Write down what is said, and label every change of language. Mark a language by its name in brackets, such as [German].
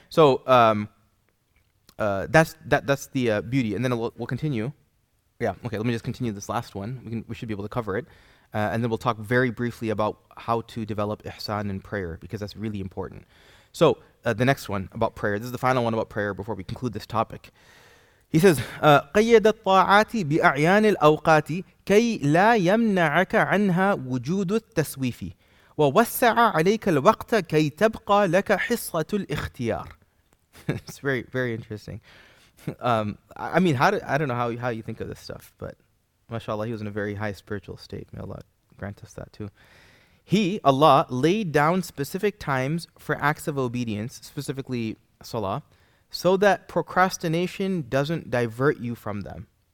[English] So that's the beauty. And then we'll continue. Yeah, okay, let me just continue this last one. We should be able to cover it. And then we'll talk very briefly about how to develop ihsan in prayer, because that's really important. So the next one about prayer, this is the final one about prayer before we conclude this topic. He says, [Arabic] قَيَّدَ الطَّاعَاتِ بِأَعْيَانِ الْأَوْقَاتِ كَيْ لَا يَمْنَعَكَ عَنْهَا وُجُودُ التَّسْوِيفِ وَوَسَّعَ عَلَيْكَ الْوَقْتَ كَيْ تَبْقَى لَكَ حِصَّةُ الْاخْتِيَارِ [English] It's very, very interesting. I don't know how you think of this stuff, but mashallah, he was in a very high spiritual state. May Allah grant us that too. He, Allah, laid down specific times for acts of obedience, specifically salah, so that procrastination doesn't divert you from them.